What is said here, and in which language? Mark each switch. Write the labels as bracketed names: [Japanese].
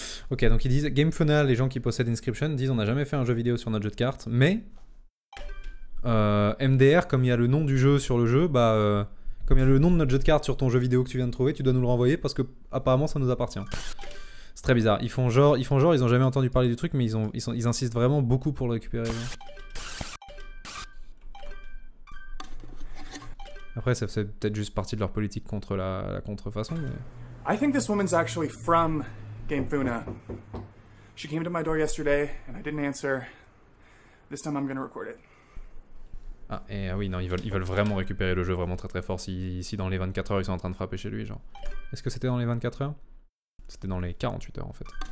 [French] Ok, donc ils disent, GameFuna, les gens qui possèdent Inscription, disent on n'a jamais fait un jeu vidéo sur notre jeu de cartes, mais MDR, comme il y a le nom du jeu sur le jeu, bah comme il y a le nom de notre jeu de cartes sur ton jeu vidéo que tu viens de trouver, tu dois nous le renvoyer parce que apparemment ça nous appartient. C'est très bizarre, ils font genre, ils ont jamais entendu parler du truc, mais ils insistent vraiment beaucoup pour le récupérer. Là. Après ça fait peut-être juste partie de leur politique contre la contrefaçon. Mais... [English] I think this woman's actually from... GameFuna. She came to my door yesterday and I didn't answer. This time I'm gonna record it. [French] Ah, et ah oui, non, ils veulent vraiment récupérer le jeu vraiment très très fort. Si dans les 24 heures ils sont en train de frapper chez lui, genre. Est-ce que c'était dans les 24 heures? C'était dans les 48 heures en fait.